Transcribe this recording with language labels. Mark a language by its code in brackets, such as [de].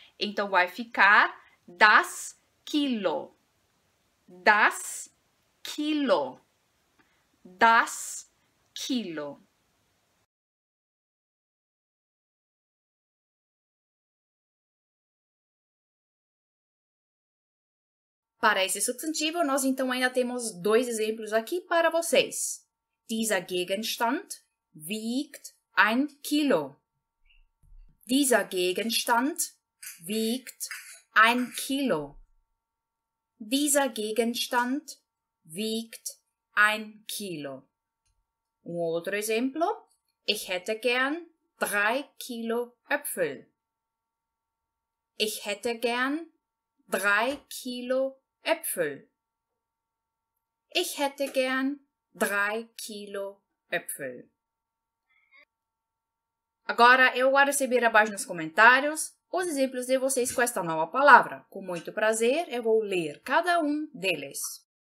[pt] Então, vai ficar das Kilo, das Kilo, das Kilo. Para esse substantivo, nós então ainda temos dois exemplos aqui para vocês. [de] Dieser Gegenstand wiegt ein Kilo. Dieser Gegenstand wiegt ein Kilo. Dieser Gegenstand wiegt ein Kilo. [pt] Um outro exemplo. [de] Ich hätte gern 3 Kilo Äpfel. Ich hätte gern 3 Kilo Äpfel. Ich hätte gern 3 Kilo Äpfel. [pt] Agora eu vou receber abaixo nos comentários os exemplos de vocês com esta nova palavra. Com muito prazer, eu vou ler cada um deles.